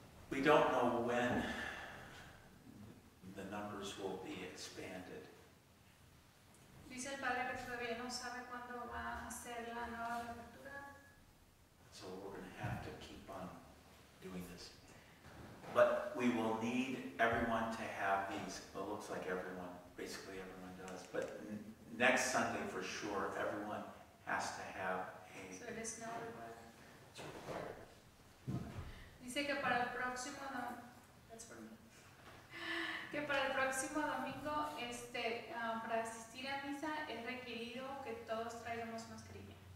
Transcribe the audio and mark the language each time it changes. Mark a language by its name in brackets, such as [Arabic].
[English] We don't know when the numbers will be expanded. [Spanish] Dice el padre que todavía no sabe cuándo va a ser la nueva apertura. [English] So we're going to have to keep on doing this. But we will need everyone to have these. Well, it looks like everyone, basically everyone does. But next Sunday for sure, everyone has to have a... So it is not required. It's required. [Spanish] Dice que para el próximo domingo para asistir a misa es requerido que todos traigamos mascarilla.